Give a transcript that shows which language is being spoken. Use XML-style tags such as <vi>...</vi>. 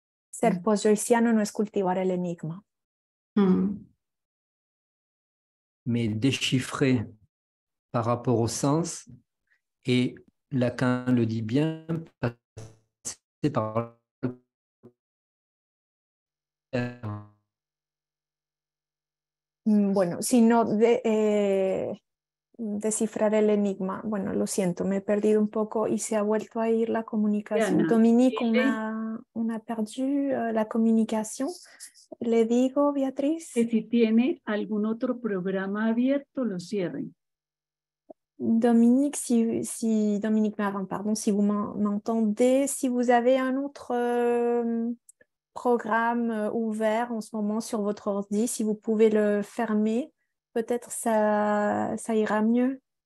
<es>Ser post-joycien no es cultivar el enigma. Mm.</es> <fr>Mais déchiffrer par rapport au sens, et Lacan le dit bien, passer par le cerveau.</fr> <es>Bueno, si no de, descifrar el enigma, bueno, lo siento, me he perdido un poco y se ha vuelto a ir la comunicación. Diana.</es> <fr>Dominique, on a perdu la comunicación.</fr> <es>Le digo, Beatriz. Que si tiene algún otro programa abierto, lo cierren.</es> <fr>Dominique, si Dominique Marin, pardon, si vous m'entendez, si vous avez un autre programme ouvert en ce moment sur votre ordi, si vous pouvez le fermer, peut-être ça ira mieux.</fr>